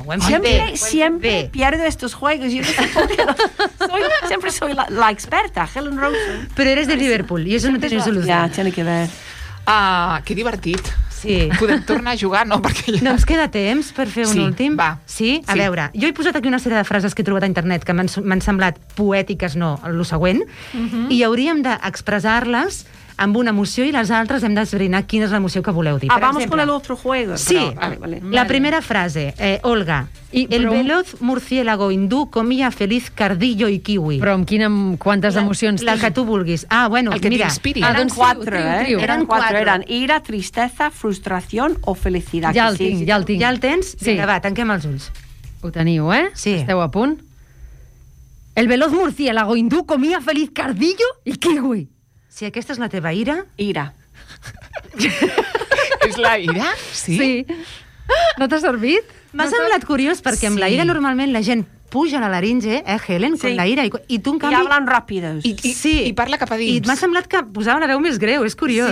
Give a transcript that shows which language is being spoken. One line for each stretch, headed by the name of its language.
Spanish: buen siempre, buen siempre buen pierdo estos juegos. Yo no sé por qué. Siempre soy la experta, Helen Rosen. Pero eres de Liverpool, y eso no tiene solución. Ya, tiene que ver. Ah, qué divertido. Sí.
Catalan: Podem tornar a jugar, no? Perquè ja... No ens queda temps per fer un últim? Va. Sí? A veure, jo he posat aquí una sèrie de frases que he trobat a internet que m'han semblat poètiques, no, el següent, i hauríem d'expressar-les... amb una emoció i les altres hem d'esbrinar quina és l'emoció que voleu dir.
Spanish: Ah, vamos con el otro juego. Sí, vale. La primera frase. Olga, el veloz murciélago hindú comía feliz cardillo y kiwi.
Catalan: Però amb quina, quantes emocions la que tu vulguis. Ah, bueno, el que mira. Eren doncs quatre, triu. Eren quatre. Eren ira, tristesa, frustració o felicitat. Ja el tinc, ja el tinc. Ja el tens? Sí. Vinga, va, tanquem els ulls. Ho teniu, eh? Sí. Esteu a punt?
Spanish: El veloz murciélago hindú comía feliz cardillo y kiwi.
Catalan: Si aquesta és la teva ira... Ira. És la ira? Sí. Sí. No t'ha servit? M'ha semblat curiós, perquè amb la ira normalment la gent puja la laringe, Helen, sí.
Spanish: Con la ira,
Catalan: i tu en canvi... I hablan ràpides. I parla cap a dins. I m'ha semblat que posava la veu més greu, és curiós.